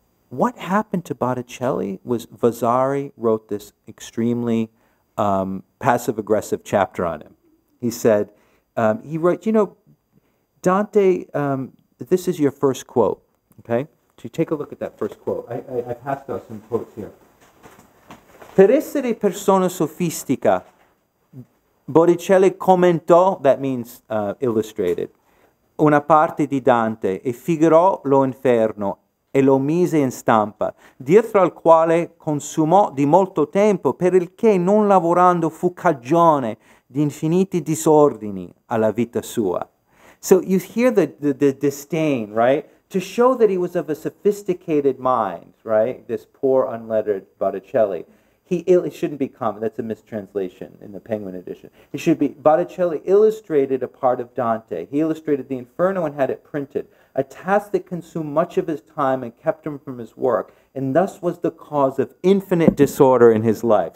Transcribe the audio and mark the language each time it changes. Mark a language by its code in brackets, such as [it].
[en] What happened to Botticelli was Vasari wrote this extremely passive-aggressive chapter on him. He said, Dante, this is your first quote, okay? So you take a look at that first quote. I passed out some quotes here. [it] Per essere persona sofistica, Botticelli commentò, [en] that means illustrated, [it] una parte di Dante, e figurò lo inferno, e lo mise in stampa, dietro al quale consumò di molto tempo, per il che non lavorando fu cagione di infiniti disordini alla vita sua. [en] So you hear the disdain, right? To show that he was of a sophisticated mind, right? This poor, unlettered Botticelli. It shouldn't be common. That's a mistranslation in the Penguin edition. It should be Botticelli illustrated a part of Dante. He illustrated the Inferno and had it printed, a task that consumed much of his time and kept him from his work, and thus was the cause of infinite disorder in his life.